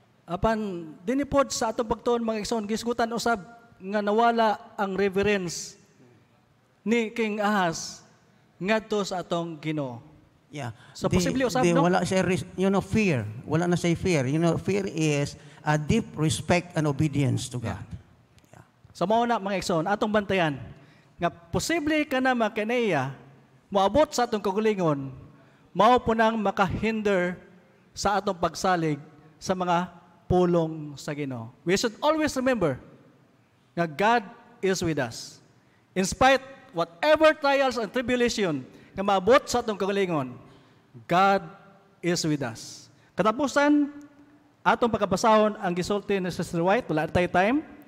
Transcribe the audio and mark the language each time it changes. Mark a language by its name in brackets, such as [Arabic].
[Cebuano] Apan, dinipod sa atong pagtuon mga igsoon, gisgutan usab nga nawala ang reverence ni King Ahaz ngadto sa atong Ginoo. Yeah. So, posible usab, no? Wala siya, fear. Wala na siya fear. [English] You know, fear is a deep respect and obedience to God. Yeah. [Cebuano] So mao na mga igsoon, atong bantayan nga posible ka na makinaya maabot sa atong kagulingon, mao po nang makahinder sa atong pagsalig sa mga pulong sa Ginoo. [English] We should always remember nga God is with us. In spite whatever trials and tribulation [Cebuano] nga maabot sa atong kagulingon, [English] God is with us. [Cebuano] Katapusan atong pagkabasahon ang gisulti ni Sister White, wala tayo time.